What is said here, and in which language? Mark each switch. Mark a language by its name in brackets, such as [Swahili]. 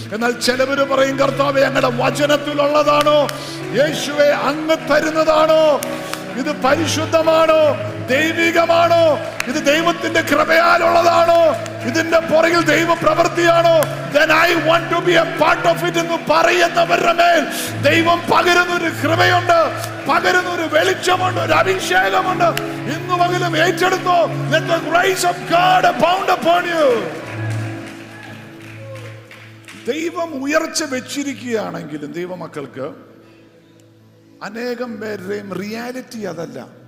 [Malayalam] എന്നാൽ ചിലവർ പറയും കർത്താവ് ഞങ്ങളുടെ വചനത്തിലുള്ളതാണോ, യേശുവെ അങ്ങ് തരുന്നതാണോ, ഇത് പരിശുദ്ധമാണോ, ദൈവികമാണോ, ഇത് ദൈവത്തിന്റെ കൃപയാലുള്ളതാണോ, ഇതിന്റെ പുറകിൽ ദൈവ പ്രവൃത്തിയാണോ, [English] then I want to be a part of it [Malayalam] എന്ന് പറയുന്നവരുടെ മേൽ ദൈവം പകരുന്ന ഒരു കൃപയുണ്ട്, പകരുന്ന ഒരു വെളിച്ചമുണ്ട്, ഒരു അഭിഷേകമുണ്ട്. ഇന്നു പകലും ഏറ്റെടുത്തോ. [English] Let the grace of God abound upon you. [Malayalam] ദൈവം ഉയർച്ച വെച്ചിരിക്കുകയാണെങ്കിലും ദൈവമക്കൾക്ക് അനേകം പേരുടെയും റിയാലിറ്റി അതല്ല.